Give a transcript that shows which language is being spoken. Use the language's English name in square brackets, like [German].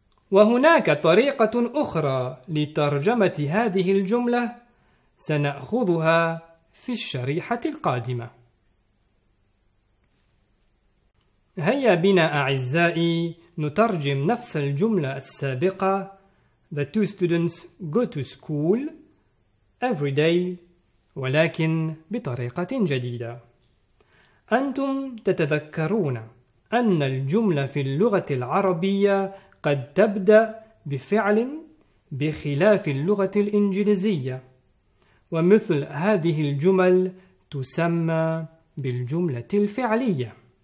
[Arabic] وهناك طريقة أخرى لترجمة هذه الجملة سنأخذها في الشريحة القادمة. هيا بنا أعزائي نترجم نفس الجملة السابقة. [English] The two students go to school every day، [Arabic] ولكن بطريقة جديدة. أنتم تتذكرون أن الجملة في اللغة العربية قد تبدأ بفعل بخلاف اللغة الإنجليزية، ومثل هذه الجمل تسمى بالجملة الفعلية.